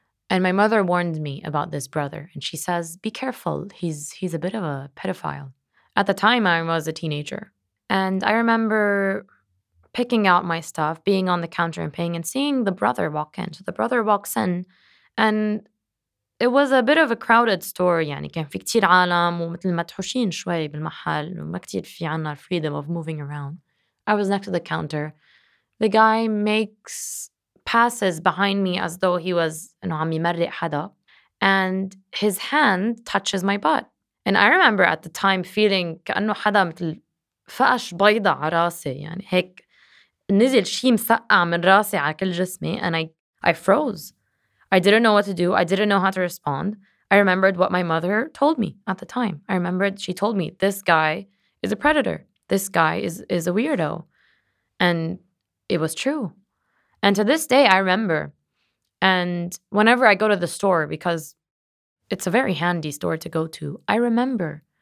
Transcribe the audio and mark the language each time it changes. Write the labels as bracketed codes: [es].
[en] And my mother warned me about this brother. And she says, be careful, he's a bit of a pedophile. At the time, I was a teenager. And I remember picking out my stuff, being on the counter and paying, and seeing the brother walk in. So the brother walks in, and it was a bit of a crowded store. [ar] يعني كان في كتير عالم ومثل متحوشين شوي بالمحل وما كتير في عنا [en] freedom of moving around. I was next to the counter. The guy makes passes behind me as though he was [ar] عم يمرق حدا, [en] and his hand touches my butt. And I remember at the time feeling [ar] كأنه حدا مثل فقش بيضة على راسي, يعني هيك نزل شيء مسقع من راسي على كل جسمي, [en] and I froze. I didn't know what to do. I didn't know how to respond. I remembered what my mother told me at the time. I remembered she told me, this guy is a predator. This guy is a weirdo. And it was true. And to this day, I remember. And whenever I go to the store, because it's a very handy store to go to, I remember.